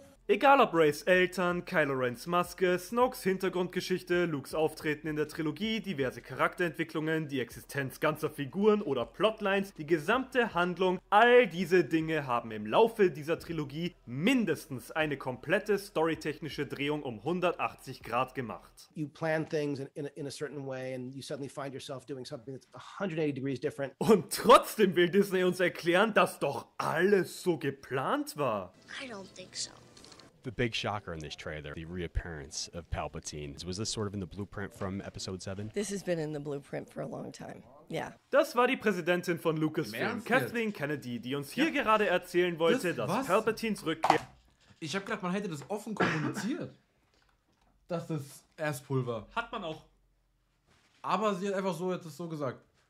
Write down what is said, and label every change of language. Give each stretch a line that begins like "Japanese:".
German: Egal ob Rays Eltern, Kylo Rens Maske, Snokes Hintergrundgeschichte, Lukes Auftreten in der Trilogie, diverse Charakterentwicklungen, die Existenz ganzer Figuren oder Plotlines, die gesamte Handlung, all diese Dinge haben im Laufe dieser Trilogie mindestens eine komplette storytechnische Drehung um 180 Grad gemacht.
English: You plan things in a certain way and you suddenly find yourself doing something that's 180 degrees different.
German: Und trotzdem will Disney uns erklären, dass doch alles so geplant war.
English: I don't think so. The big shocker in this trailer, the reappearance of Palpatine. Was this sort of in the blueprint from episode 7? This has been in the blueprint for a long time. Yeah.
German: Das war die Präsidentin von Lucasfilm, Kathleen Kennedy, die uns hier gerade erzählen wollte, dass Palpatines Rückkehr. Ich hab gedacht, man hätte das offen kommuniziert. Dass das Erstpulver. Hat man auch. Aber sie hat einfach so jetzt so gesagt.